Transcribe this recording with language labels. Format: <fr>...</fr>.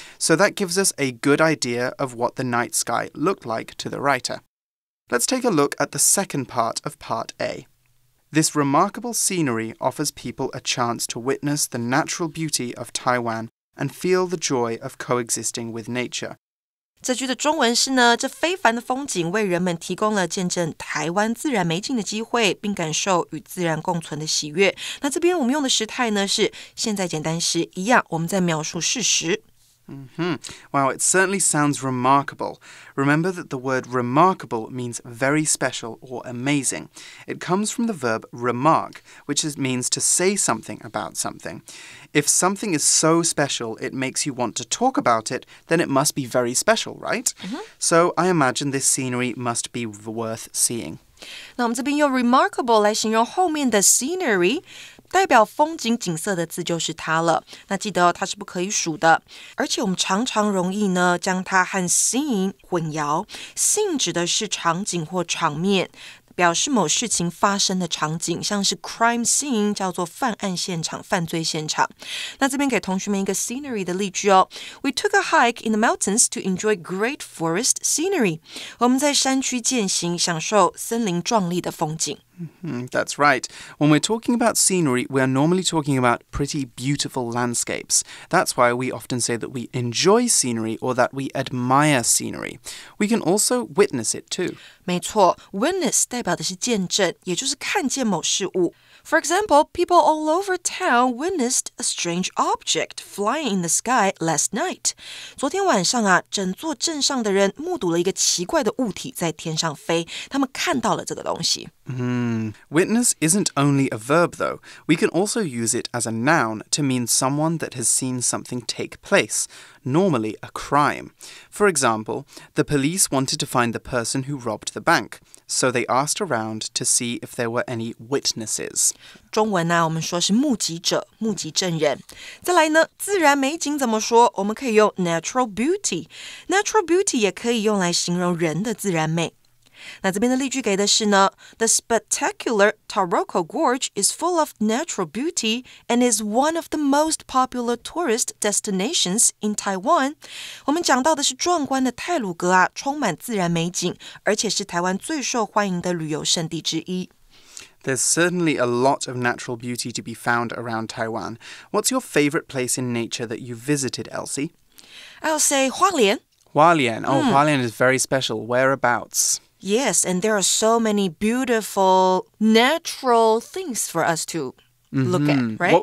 <en>So that gives us a good idea of what the night sky looked like to the writer. Let's take a look at the second part of Part A. This remarkable scenery offers people a chance to witness the natural beauty of Taiwan and feel the joy of coexisting with nature.</en> <zh>这句的中文是呢，这非凡的风景为人们提供了见证台湾自然美景的机会，并感受与自然共存的喜悦。那这边我们用的时态呢，是现在简单时，一样，我们在描述事实。</zh> <en>Wow, it certainly sounds remarkable. Remember that the word remarkable means very special or amazing. It comes from the verb remark, which means to say something about something. If something is so special it makes you want to talk about it, then it must be very special, right? So I imagine this scenery must be worth seeing.</en> <zh>那我们这边用 remarkable 来形容后面的 scenery,代表风景景色的字就是它了。那记得哦，它是不可以数的。而且我们常常容易呢，将它和 scene 混淆。 scene 指的是场景或场面，表示某事情发生的场景，像是 crime scene 叫做犯案现场、犯罪现场。那这边给同学们一个 scenery 的例句哦。</zh> <en>We took a hike in the mountains to enjoy great forest scenery.</en> <zh>我们在山区践行，享受森林壮丽的风景。</zh> <en>That's right. When we're talking about scenery, we are normally talking about pretty beautiful landscapes. That's why we often say that we enjoy scenery or that we admire scenery. We can also witness it too.</en> <zh>没错 ,witness 代表的是见证，也就是看见某事物。</zh> <en>For example, people all over town witnessed a strange object flying in the sky last night.</en> <zh>昨天晚上啊，整座镇上的人目睹了一个奇怪的物体在天上飞，他们看到了这个东西。</zh> <en>Witness isn't only a verb, though. We can also use it as a noun to mean someone that has seen something take place, normally a crime. For example, the police wanted to find the person who robbed the bank, so they asked around to see if there were any witnesses.</en> <zh>中文呢、啊，我们说是目击者、目击证人。再来呢，自然美景怎么说？我们可以用 natural beauty. Natural beauty 也可以用来形容人的自然美。那这边的例句给的是呢</zh> <en>The spectacular Taroko Gorge is full of natural beauty and is one of the most popular tourist destinations in Taiwan.</en> <zh>我们讲到的是壮观的太鲁阁啊，充满自然美景，而且是台湾最受欢迎的旅游胜地之一。</zh> <en>There's certainly a lot of natural beauty to be found around Taiwan. What's your favorite place in nature that you visited, Elsie? I'll say 花莲。花莲。Oh, 花莲is very special. Whereabouts? Yes, and there are so many beautiful natural things for us to look at, right?</en>